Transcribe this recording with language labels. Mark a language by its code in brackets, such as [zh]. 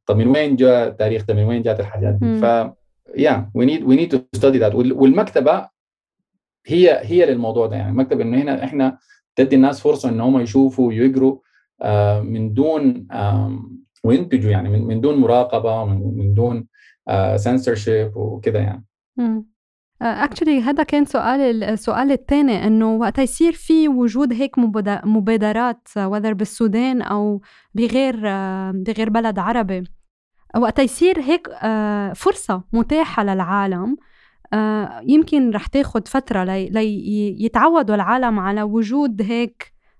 [ar] طب من وين جاء تاريخ ده, من وين جاءت الحاجات دي. [en] ف yeah we need to study that. [ar] والمكتبة هي للموضوع ده يعني, مكتبة انه هنا احنا تدي الناس فرصة ان هم يشوفوا ويقروا من دون وينتجوا يعني, من دون مراقبة, من دون censorship وكذا يعني. Actually هذا كان السؤال الثاني, انه وقت يصير في وجود هيك مبادرات whether بالسودان او بغير بلد عربي, وقت يصير هيك فرصه متاحه للعالم, يمكن رح تاخذ فتره ليتعودوا العالم على وجود هيك